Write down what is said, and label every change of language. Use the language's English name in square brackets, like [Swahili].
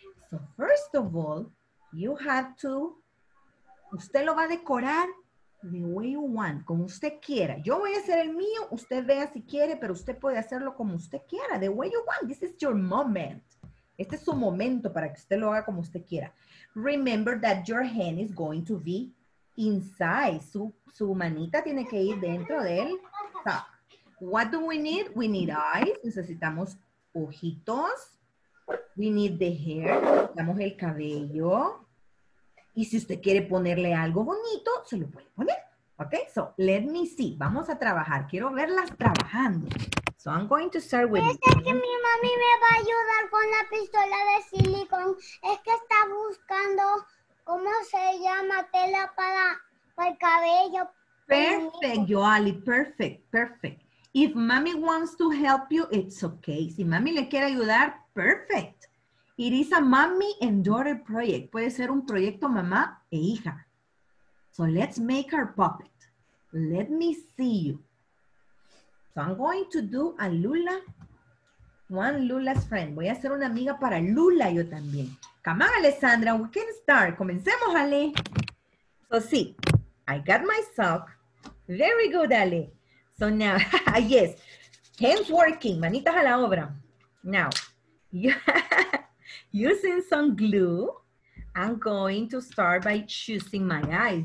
[English] So first of all, you have to, [Spanish] usted lo va a decorar [English] the way you want, [Spanish] como usted quiera. Yo voy a hacer el mío, usted vea si quiere, pero usted puede hacerlo como usted quiera, [English] the way you want. This is your moment. [Spanish] Este es su momento para que usted lo haga como usted quiera. [English] Remember that your hand is going to be inside. [Spanish] Su manita tiene que ir dentro del sock. [English] What do we need? We need eyes. [Spanish] Necesitamos ojitos. [English] We need the hair. [Spanish] Necesitamos el cabello. Y si usted quiere ponerle algo bonito, se lo puede poner. [English] Ok, so let me see. [Spanish] Vamos a trabajar. Quiero verlas trabajando. [English] So I'm going to start with... [Spanish] Es que mi mami me va a ayudar con la pistola de silicón. Es que está buscando, ¿cómo se llama? Tela para el cabello. [English] Perfect, Yoali. Perfect, perfect. If mommy wants to help you, it's okay. [Spanish] Si mami le quiere ayudar, [English] perfect. It is a mommy and daughter project. [Spanish] Puede ser un proyecto mamá e hija. [English] So let's make our puppet. Let me see you. So I'm going to do a Lula, one Lula's friend. [Spanish] Voy a hacer una amiga para Lula yo también. [English] Come on, Alessandra, we can start. [Spanish] Comencemos, [English] Ale. So see, I got my sock. Very good, Ale. So now, yes, hands working, [Spanish] manitas a la obra. [English] Now, using some glue, I'm going to start by choosing my eyes.